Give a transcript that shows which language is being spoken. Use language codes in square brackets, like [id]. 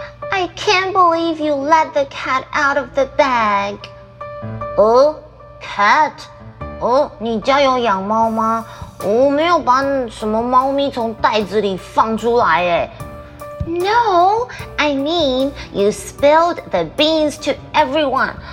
[en] I can't believe you let the cat out of the bag. Oh, cat? Oh, [zh] 你家有养猫吗？我没有把什么猫咪从袋子里放出来耶。 [en] No, I mean, you spilled the beans to everyone.